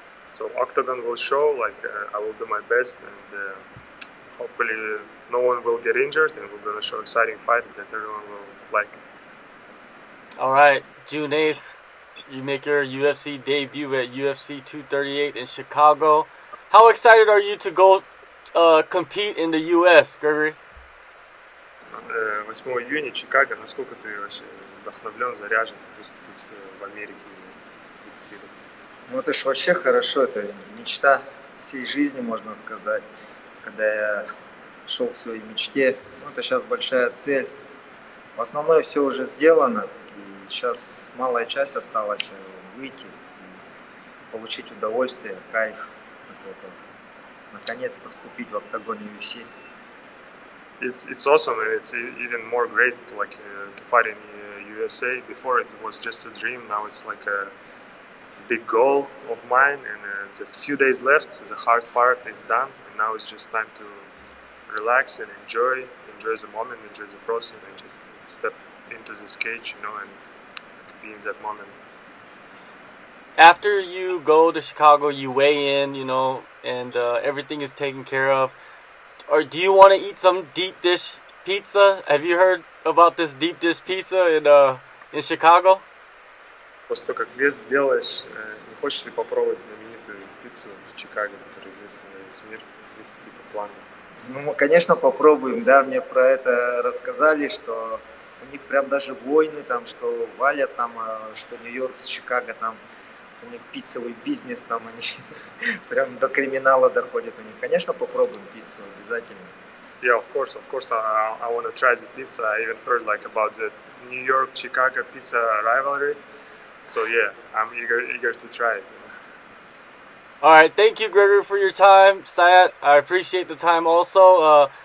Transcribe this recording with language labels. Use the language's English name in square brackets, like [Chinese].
[English] So Octagon will show, like I will do my best and hopefully no one will get injured and we're gonna show exciting fights that everyone will like. Alright, June 8th, you make your UFC debut at UFC 238 in Chicago. How excited are you to go compete in the US, Gregory? [Russian] 8 июня, Чикаго. Насколько ты вообще вдохновлен, заряжен выступить в Америке и репетировать? Ну, это ж вообще хорошо, это мечта всей жизни, можно сказать. Когда я шел к своей мечте, ну, это сейчас большая цель. В основном все уже сделано, и сейчас малая часть осталась — выйти, получить удовольствие, кайф, вот, наконец-то вступить в октагон UFC. [English] It's awesome, and it's even more great, like to fight in USA. Before it was just a dream, now it's like a big goal of mine, and just a few days left. The hard part is done, and now it's just time to relax and enjoy the moment, enjoy the process, and just step into this cage, you know, and be in that moment. After you go to Chicago, you weigh in, you know, and everything is taken care of. Or do you want to eat some deep dish pizza? Have you heard about this deep dish pizza in Chicago? [Russian] После того, как вес сделаешь, не хочешь ли попробовать знаменитую пиццу в Чикаго, которая известна на весь мир? Есть какие-то планы? Ну, конечно, попробуем, да, мне про это рассказали, что у них прям даже войны там, что валят там, что Нью-Йорк с Чикаго там, у них пиццевый бизнес там, они прям до криминала доходят у них. Конечно, попробуем пиццу, обязательно. [English] Yeah, of course, I want to try the pizza. I even heard like about the New York-Chicago pizza rivalry. So yeah, I'm eager to try it. All right, thank you, Gregory, for your time. Syed, I appreciate the time also.